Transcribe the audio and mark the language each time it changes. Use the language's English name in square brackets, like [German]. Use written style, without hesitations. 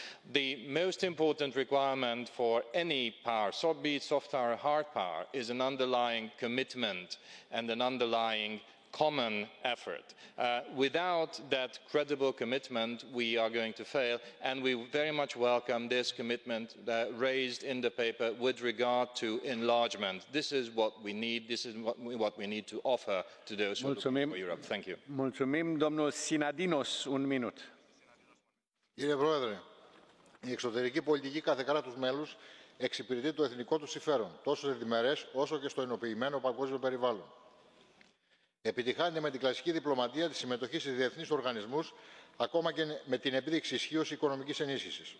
[English] The most important requirement for any power, be it soft power or hard power, is an underlying commitment and an underlying common effort. Without that credible commitment, we are going to fail, and we very much welcome this commitment raised in the paper with regard to enlargement. This is what we need, this is what we need to offer to those who are looking for Europe. Thank you. [Romanian] Mulțumim, domnul Sinadinos, un minut. [Greek] Κύριε Πρόεδρε, η εξωτερική πολιτική κάθε κράτους μέλους εξυπηρετεί το εθνικό του συμφέρον, τόσο σε διμερές όσο και στο ενοποιημένο παγκόσμιο περιβάλλον. Επιτυχάνεται με την κλασική διπλωματία τη συμμετοχή σε διεθνείς οργανισμούς, ακόμα και με την επίδειξη ισχύως οικονομικής ενίσχυσης.